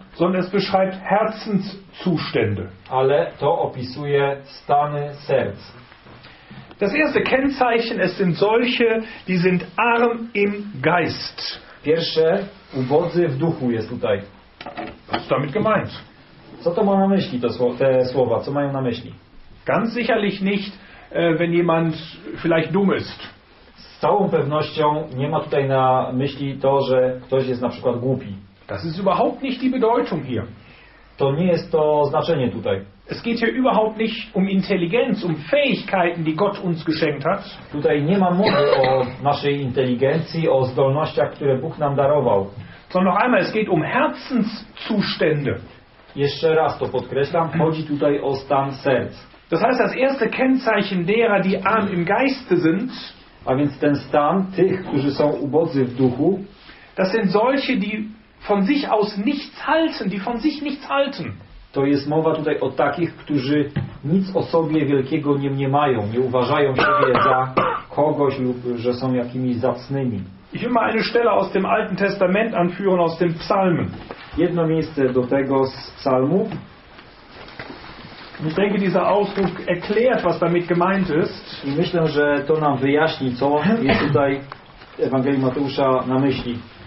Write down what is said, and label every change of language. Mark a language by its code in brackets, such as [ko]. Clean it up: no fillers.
[de] sondern es beschreibt Herzenszustände. [pl] Ale to opisuje stany serc. [de] Das erste Kennzeichen, es sind solche, die sind arm im Geist. [pl] Pierwsze, ubodzy w duchu jest tutaj. [de] Was ist damit gemeint? [pl] Co to ma na myśli te słowa? Co mają na myśli? [de] Ganz sicherlich nicht, wenn jemand vielleicht dumm ist. [pl] Z całą pewnością nie ma tutaj na myśli to, że ktoś jest na przykład głupi. [de] Das ist überhaupt nicht die Bedeutung hier. [pl] To nie jest to znaczenie tutaj. [de] Es geht hier überhaupt nicht um Intelligenz, um Fähigkeiten, die Gott uns geschenkt hat. [pl] Tutaj nie ma mowy o naszej inteligencji, o zdolnościach, które Bóg nam darował. [de] So, noch einmal, es geht um Herzenszustände. [pl] Jeszcze raz to podkreślam, chodzi tutaj o stan serc. [de] Das heißt, das erste Kennzeichen derer, die arm im Geiste sind, [pl] a więc ten stan tych, którzy są ubodzy w duchu, [de] das sind solche, die von sich aus nichts halten, die von sich nichts halten. [pl] To jest mowa tutaj o takich, którzy nic o sobie wielkiego nie mniemają, nie uważają siebie za kogoś lub że są jakimiś zacnymi. [de] Ich will mal eine Stelle aus dem Alten Testament anführen, aus dem Psalmen. [pl] Jedno miejsce do tego z Psalmu. [de] Ich denke, dieser Ausdruck erklärt, was damit gemeint ist. [pl] I myślę, że to nam wyjaśni, co jest tutaj Ewangelii Mateusza na myśli.